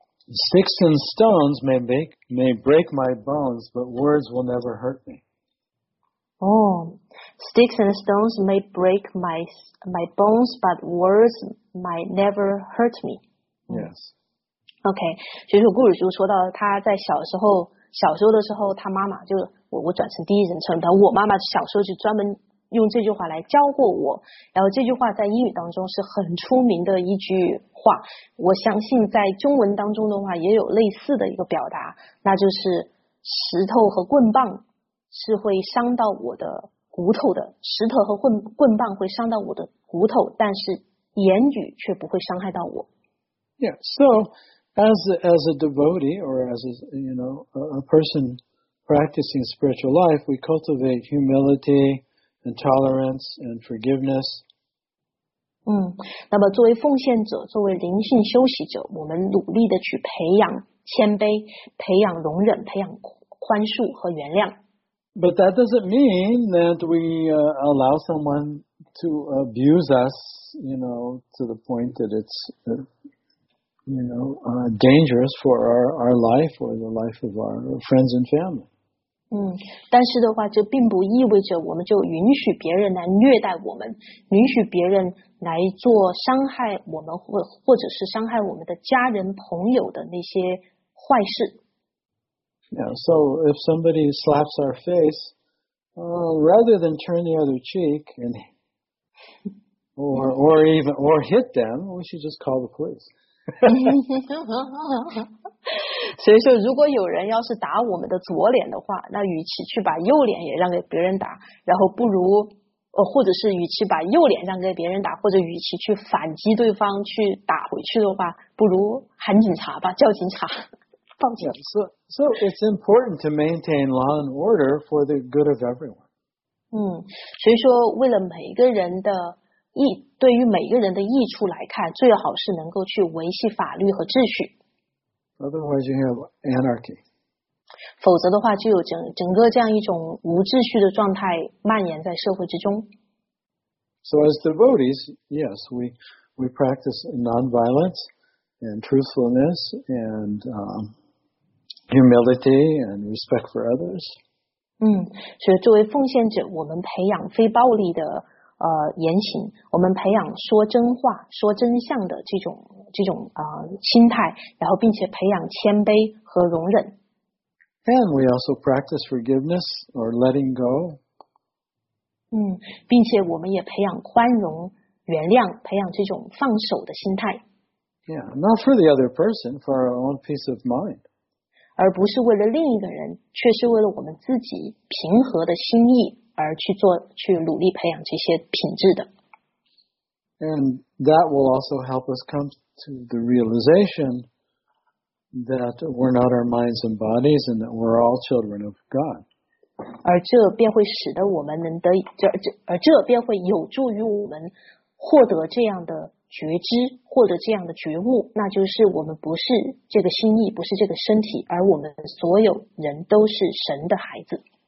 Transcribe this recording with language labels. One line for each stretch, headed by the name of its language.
English: Sticks and stones may break my bones, but words will never hurt me. Sticks and stones may break my bones, but words might never hurt me. Yes. Okay.
Chinese: 其实顾尔就说到他在小时候的时候，他妈妈就我转成第一人称，然后我妈妈小时候就专门用这句话来教过我，然后这句话在英语当中是很出名的一句话，我相信在中文当中的话也有类似的一个表达，那就是石头和棍棒是会伤到我的骨头的，石头和棍棒会伤到我的骨头，但是言语却不会伤害到我。
English: Yeah, so as a devotee or as a, you know, a person practicing spiritual life, we cultivate humility, and tolerance and forgiveness.
Chinese: 那么作为奉献者，作为灵性修习者，我们努力的去培养谦卑，培养容忍，培养宽恕和原谅。
English: But that doesn't mean that we allow someone to abuse us, you know, to the point that it's, you know, dangerous for our life or the life of our friends and family.
Chinese: 但是的话，这并不意味着我们就允许别人来虐待我们，允许别人来做伤害我们或者是伤害我们的家人朋友的那些坏事。
English: Yeah, so if somebody slaps our face, rather than turn the other cheek and or hit them, we should just call the police.
Chinese: 所以说，如果有人要是打我们的左脸的话，那与其去把右脸也让给别人打，然后不如或者是与其把右脸让给别人打，或者与其去反击对方去打回去的话，不如喊警察吧，叫警察。
English: So it's important to maintain law and order for the good of everyone.
Chinese: 所以说为了每个人的益，对于每个人的益处来看，最好是能够去维系法律和秩序。
English: Otherwise, you have anarchy.
Chinese: 否则的话，就有整个这样一种无秩序的状态蔓延在社会之中。
English: So as devotees, yes, we practice nonviolence and truthfulness and humility and respect for others.
Chinese: 所以作为奉献者，我们培养非暴力的言行，我们培养说真话、说真相的这种心态，然后并且培养谦卑和容忍。
English: And we also practice forgiveness or letting go.
Chinese: 并且我们也培养宽容、原谅，培养这种放手的心态。
English: Yeah, not for the other person, for our own peace of mind.
Chinese: 而不是为了另一个人，却是为了我们自己平和的心意而去努力培养这些品质的。
English: And that will also help us come to the realization that we're not our minds and bodies and that we're all children of God.
Chinese: 而这便会使得我们能得以，这便会有助于我们获得这样的觉知，获得这样的觉悟，那就是我们不是这个心意，不是这个身体，而我们所有人都是神的孩子。